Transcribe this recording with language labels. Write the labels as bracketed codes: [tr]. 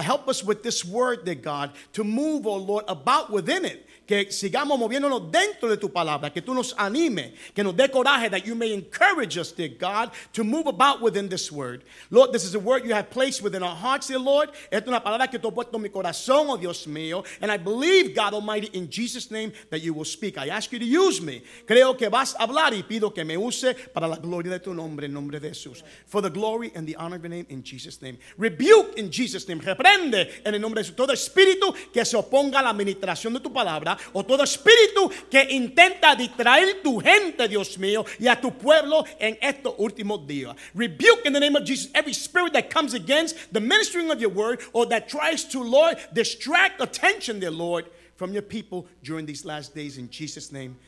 [en] Help us with this word, dear God, to move, oh Lord, about within it. [es] Que sigamos moviéndonos dentro de tu palabra, que tú nos anime, que nos dé coraje, [en] that you may encourage us, dear God, to move about within this word. Lord, this is a word you have placed within our hearts, dear Lord. [es] Esta es una palabra que tú has puesto en mi corazón, oh Dios mío. [en] And I believe, God Almighty, in Jesus' name, that you will speak. I ask you to use me. [es] Creo que vas a hablar y pido que me use para la gloria de tu nombre, en nombre de Jesús. [en] For the glory and the honor of your name, in Jesus' name. Rebuke in Jesus' name. [es] Reprende en el nombre de Jesús. Todo espíritu que se oponga a la administración de tu palabra, o todo espíritu que intenta distraer tu gente, Dios mío, y a tu pueblo en estos últimos días. [en] Rebuke in the name of Jesus every spirit that comes against the ministering of your word, or that tries to, Lord, distract attention, dear Lord, from your people during these last days, in Jesus' name.